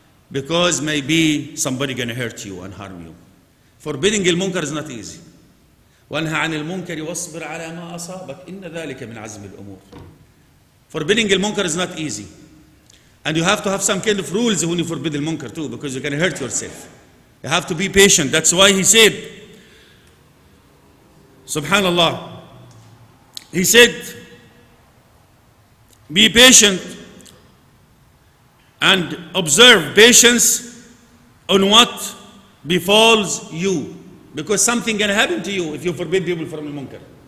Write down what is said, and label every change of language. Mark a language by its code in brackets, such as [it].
[en] Because maybe somebody gonna hurt you and harm you. Forbidding the munkar is not easy. [ar] وانهى عن المنكر واصبر على ما أصابك. [en] إن ذلك من عزم الأمور. Forbidding the munkar is not easy. And you have to have some kind of rules when you forbid the munkar too, because you can hurt yourself. You have to be patient. That's why he said, Subhanallah. He said, be patient and observe patience on what befalls you, because something can happen to you if you forbid people from the munkar.